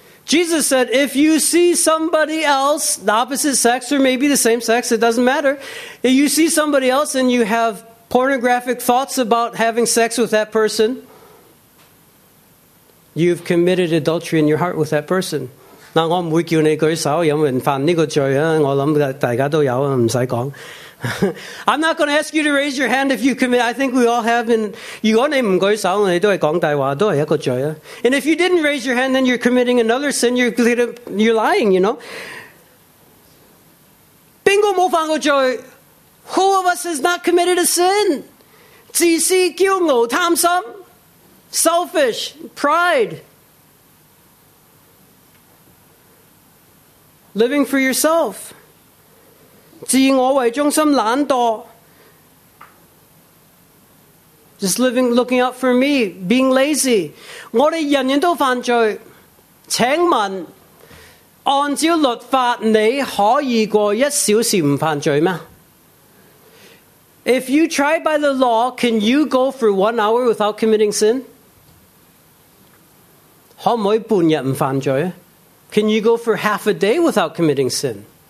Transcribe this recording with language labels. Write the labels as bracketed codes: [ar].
[en] Jesus said, if you see somebody else, the opposite sex or maybe the same sex, it doesn't matter. If you see somebody else and you have pornographic thoughts about having sex with that person, you've committed adultery in your heart with that person. [zh] 我不會叫你舉手,因為犯這個罪,我想大家都有,不用說。 [en] I'm not going to ask you to raise your hand if you commit. I think we all have. And if you didn't raise your hand, then you're committing another sin. You're lying, you know. Bingo, [zh] 没犯过罪, [en] who of us has not committed a sin? [zh] 自私、骄傲, 贪心, [en] selfish, pride. Living for yourself. [zh] 自我为中心懒惰, [en] just living, looking out for me, being lazy. [zh] 我们人人都犯罪, 请问, 按照律法, 你可以过一小时不犯罪吗? [en] If you try by the law, can you go for 1 hour without committing sin? [zh] 可不可以半日不犯罪? [en] Can you go for half a day without committing sin?